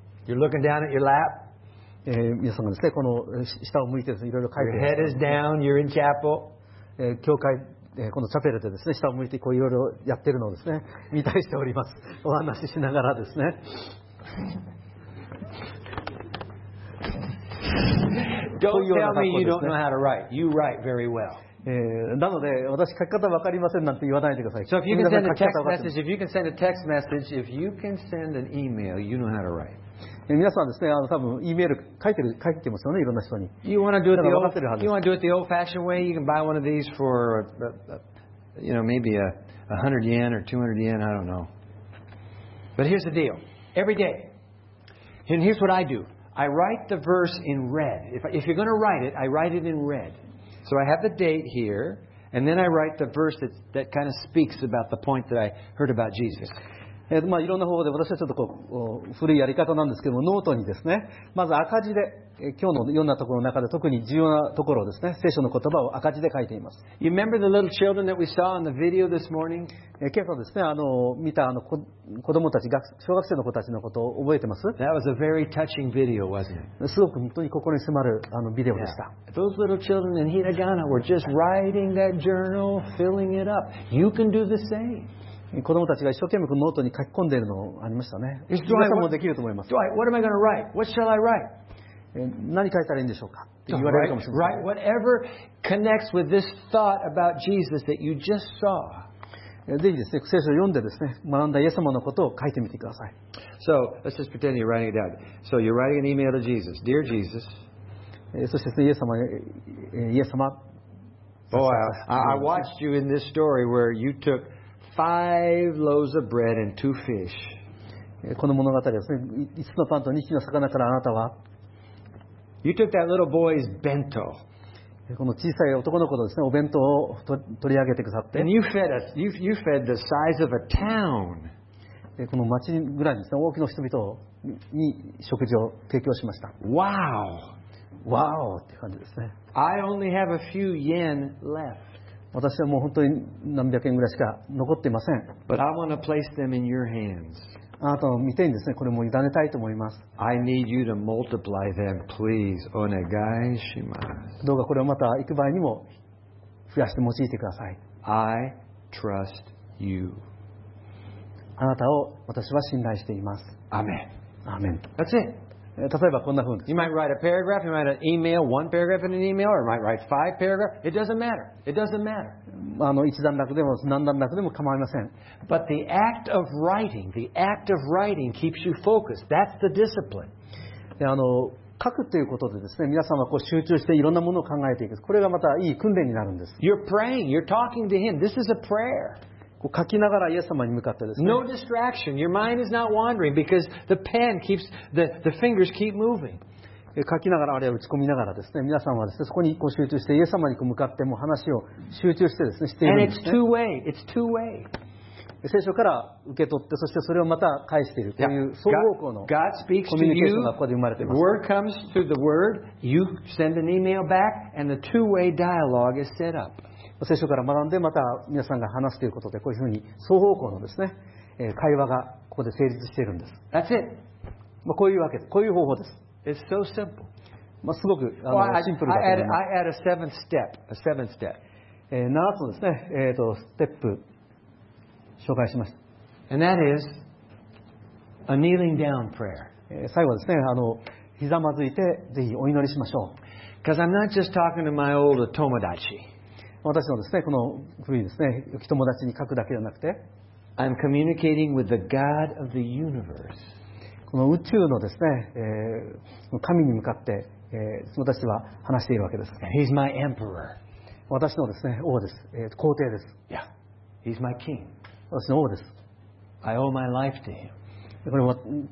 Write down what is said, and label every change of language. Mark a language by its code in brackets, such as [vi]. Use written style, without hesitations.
[en] You're looking down at your lap. [ja] 皆さんですね、この下を向いてですね、いろいろ書いてる。 [en] Your head is down. You're in chapel. [ja] 教会、このチャペルでですね、下を向いてこういろいろやってるのをですね、見たりしております。お話ししながらですね。 [en] Don't tell me you don't know how to write. You write very well. [ja] なので私書き方わかりませんなんて言わないでください。 [en] So if you can send a text message, if you can send a text message, if you can send an email, you know how to write. [ja] 皆さんですね、多分 E メール書いてますよね、いろんな人に。 [en] You want to do it the old, you want to do it the old-fashioned way? You can buy one of these for, you know, maybe a 100 yen or 200 yen, I don't know. But here's the deal. Every day, and here's what I do. I write the verse in red. If you're going to write it, I write it in red. So I have the date here, and then I write the verse that kind of speaks about the point that I heard about Jesus. [ja] まあいろんな方法で私はちょっとこう古いやり方なんですけども、ノートにですね、まず赤字で今日の読んだところの中で特に重要なところですね、聖書の言葉を赤字で書いています。 [en] You remember the little children that we saw in the video this morning? [ja] 今朝ですね、見た子供たち、小学生の子たちのことを覚えてます? [en] That was a very touching video, wasn't it? [ja] すごく本当に心に迫るビデオでした。 [en] Yeah. Those little children in Hiragana were just writing that journal, filling it up. You can do the same. [ja] 子供たちが一生懸命ノートに書き込んでいるのがありましたね。皆さんもできると思います。 [en] Dwight, what am I going to write? What shall I write? [ja] 何書いたらいいんでしょうかって言われるかもしれません。 [en] Write whatever connects with this thought about Jesus that you just saw. [ja] ぜひですね、聖書を読んでですね、学んだイエス様のことを書いてみてください。 [en] So, let's just pretend you're writing it out. So, you're writing an email to Jesus. Dear Jesus. [ja] そしてですね、イエス様。 [en] Boy, I watched you in this story where you took Five loaves of bread and two fish. [ja] この物語ですね。 5つのパンと2匹の魚からあなたは。 [en] You took that little boy's bento. [ja] この小さい男の子のですね、お弁当を取り上げてくださって。 [en] And you fed us. You fed the size of a town. [ja] この町ぐらいですね、大きな人々に食事を提供しました。 [en] Wow. [ja] Wow. って感じですね。 [en] I only have a few yen left. [ja] 私はもう本当に何百円ぐらいしか残っていません。 [en] But I want to place them in your hands. [ja] あなたを見てんですね、これも委ねたいと思います。 [en] I need you to multiply them, please. [ja] お願いします。どうかこれをまた行く場合にも増やして用いてください。 [en] I trust you. [ja] あなたを私は信頼しています。 [en] Amen. Amen. That's it. [ja] 例えばこんな風に。 [en] You might write a paragraph, you might write an email, one paragraph in an email, or you might write five paragraphs. It doesn't matter. It doesn't matter. [ja] 一段落でも何段落でも構いません。 [en] But the act of writing keeps you focused. That's the discipline. [ja] 書くということでですね、皆さんはこう集中していろんなものを考えていく。これがまたいい訓練になるんです。 [en] You're praying. You're talking to him. This is a prayer. [ja] 書きながらイエス様に向かってですね。 [en] No distraction. Your mind is not wandering because the pen keeps the fingers keep moving. [ja] 書きながらあるいは打ち込みながらですね。皆さんはですね、そこに集中してイエス様に向かっても話を集中してですね、しているんですね。 [en] And it's two way. It's two way. [ja] 聖書から受け取って、そしてそれをまた返しているという双方向のコミュニケーションがここで生まれています。 [en] Word comes through the word. You send an email back, and the two-way dialogue is set up. [ja] 聖書から学んでまた皆さんが話すということでこういうふうに双方向のですね会話がここで成立しているんです。 [en] That's it. [ja] まあこういうわけです。こういう方法です。 [en] It's so simple. [ja] まあすごくシンプルだと思います。 [en] I add a seventh step. A seventh step. [ja] 七つのですねステップ紹介しました。 [en] And that is a kneeling down prayer. [ja] 最後ですねひざまずいてぜひお祈りしましょう。 [en] Because I'm not just talking to my old 友達。 [ja] 私のですね、この古いですね、人友達に書くだけじゃなくて、 [en] I'm communicating with the God of the universe. [ja] この宇宙のですね、神に向かって、私は話しているわけです。 [en] He's my emperor. [ja] 私のですね、王です。皇帝です。 [en] Yeah. He's my king. [ja] 私の王です。 [en] I owe my life to him.